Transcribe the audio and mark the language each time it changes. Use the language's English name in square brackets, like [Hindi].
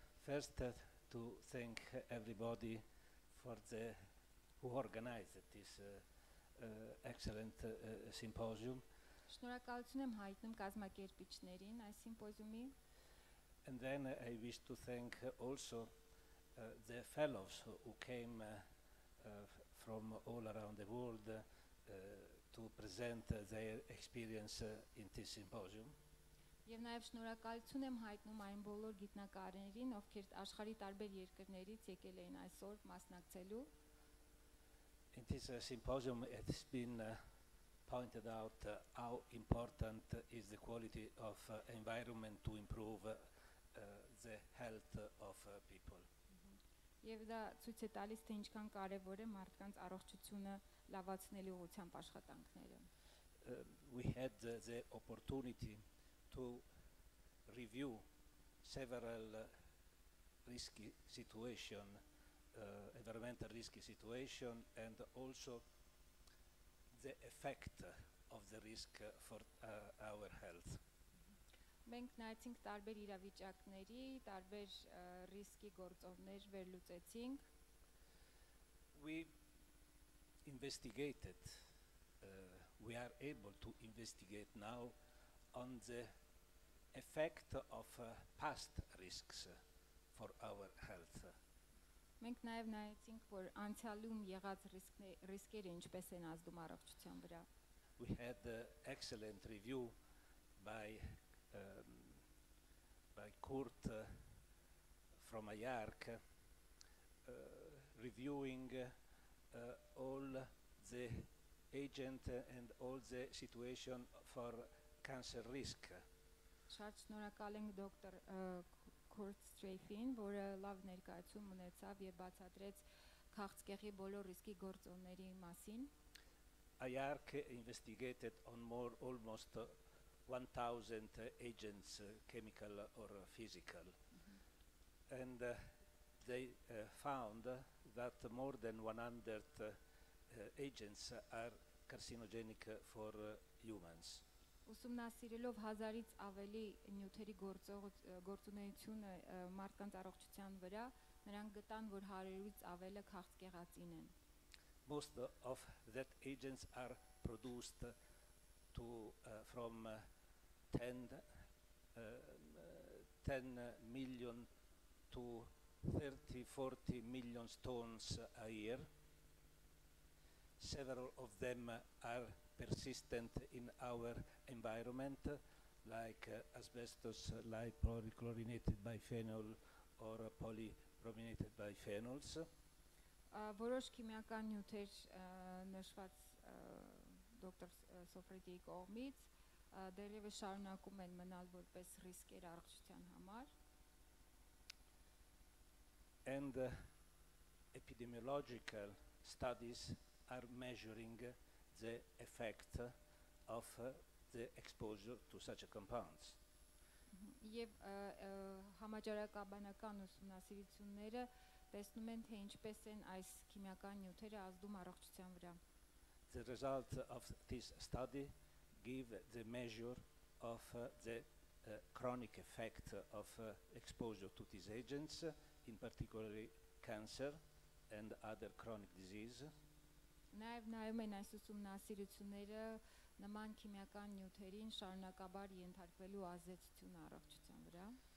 [English] First, to thank everybody for the who organized this excellent symposium. [Armenian] Շնորհակալություն եմ հայտնում կազմակերպիչներին այս սիմպոզիումի. [English] And then I wish to thank also the fellows who came from all around the world. To present their experience in this symposium. [Armenian] Եվ նաև շնորհակալություն եմ հայտնում այն բոլոր գիտնակարներին, ովքեր աշխարհի տարբեր երկրներից եկել էին այսօր մասնակցելու. [English] In this symposium it has been pointed out how important is the quality of environment to improve the health of people. [Armenian] Եվ դա ցույց է տալիս, թե ինչքան կարևոր է մարդկանց առողջությունը լավացնելու ուղղությամբ աշխատանքները. [English] We had the opportunity to review several risky situation, environmental risky situation, and also the effect of the risk for our health. [Armenian] Մենք նայեցինք տարբեր իրավիճակների, տարբեր ռիսկի գործոններ վերլուծեցինք. [English] We investigated, we are able to investigate now on the effect of past risks for our health. [Armenian] Մենք նաև նայեցինք, որ անցյալում եղած ռիսկերը ինչպես են ազդում առողջության վրա. [English] We had an excellent review by by Kurt from IARC reviewing all the agent and all the situation for cancer risk. [Armenian] Շատ շնորհակալ ենք դոկտոր Kurt Streifin, որը լավ ներկայացում ունեցավ եւ բացատրեց քաղցկեղի բոլոր ռիսկի գործոնների մասին. [English] IARC investigated on more almost 1,000 agents, chemical or physical, mm-hmm. and they found that more than 100 agents are carcinogenic for humans. [Armenian] Ուսումնասիրելով հազարից ավելի նյութերի գործունեությունը մարդկանց առողջության վրա, նրանք գտան, որ հարյուրից ավելը քաղցկեղացին են. [English] most of that agents are produced to from 10 million to 30, 40 million tons a year. Several of them are persistent in our environment, like asbestos, like polychlorinated biphenyl or polybrominated biphenyls. [Armenian] Որոշ քիմիական նյութեր նշված դոկտոր Սոֆրիդի կողմից դեռևս շարունակում են մնալ որպես ռիսկեր առողջության համար. [English] And epidemiological studies are measuring the effect of the exposure to such compounds. [Armenian] Եվ համաճարակաբանական ուսումնասիրությունները տեսնում են, թե ինչպես են այս քիմիական նյութերը ազդում առողջության վրա. [English] The results of this study give the measure of the chronic effect of exposure to these agents, in particular cancer and other chronic disease. [Armenian] Նաև նայում են այս ուսումնասիրությունները նման քիմիական նյութերին շարունակաբար ենթարկվելու ազդեցություն առողջության վրա.